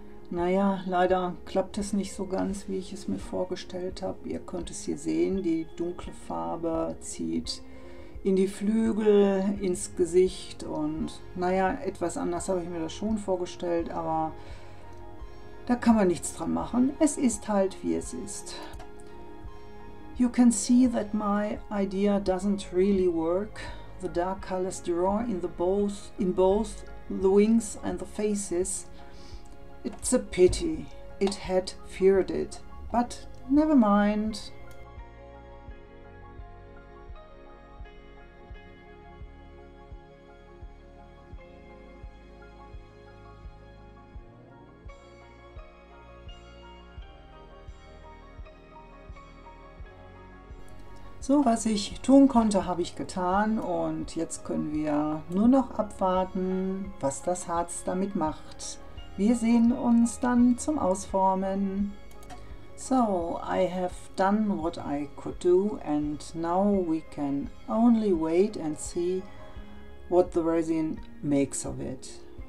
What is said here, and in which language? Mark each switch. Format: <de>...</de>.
<de>Naja, leider klappt es nicht so ganz, wie ich es mir vorgestellt habe. Ihr könnt es hier sehen, die dunkle Farbe zieht in die Flügel, ins Gesicht und naja, etwas anders habe ich mir das schon vorgestellt, aber da kann man nichts dran machen. Es ist halt wie es ist.</de> <en>You can see that my idea doesn't really work. The dark colors draw in both the wings and the faces. It's a pity. It had feared it. But never mind.</en> <de>So, was ich tun konnte, habe ich getan und jetzt können wir nur noch abwarten, was das Harz damit macht. Wir sehen uns dann zum Ausformen.</de> <en>So, I have done what I could do and now we can only wait and see what the resin makes of it.</en>